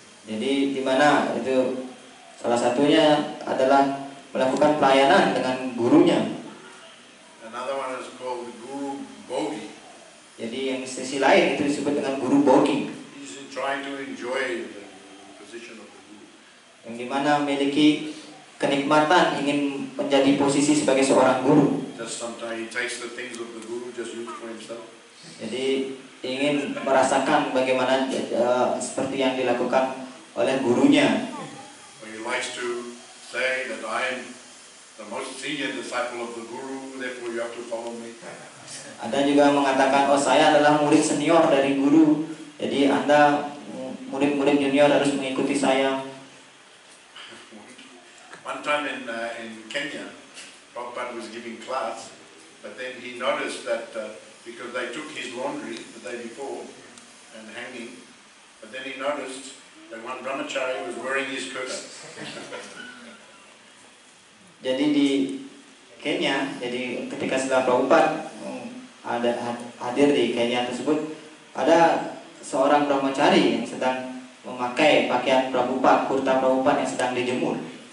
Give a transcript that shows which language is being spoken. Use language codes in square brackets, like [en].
[id] Jadi di mana itu salah satunya adalah melakukan pelayanan dengan gurunya. [en] Another one is called Guru Bogi. [id] Jadi yang sisi lain itu disebut dengan guru bogi. [en] He's trying to enjoy the position of the guru. [id] Yang dimana memiliki kenikmatan ingin menjadi posisi sebagai seorang guru. [en] Just sometimes he takes the things of the guru just use for himself. [id] Jadi ingin merasakan bagaimana seperti yang dilakukan oleh gurunya. [en] Well, he likes to say that I am the most senior disciple of the guru, therefore you have to follow me. [id] Ada juga mengatakan, oh saya adalah murid senior dari guru, jadi anda murid-murid junior harus mengikuti saya. [en] One time in Kenya, Prabhupada was giving class, but then he noticed that because they took his laundry the day before and hanging, but then he noticed that one brahmachari was wearing his kurta. [id] Jadi di Kenya, jadi ketika setelah Prabhupada ada hadir di Kenya tersebut, ada seorang brahmacari yang sedang memakai pakaian Prabhupada, kurta Prabhupada yang sedang dijemur.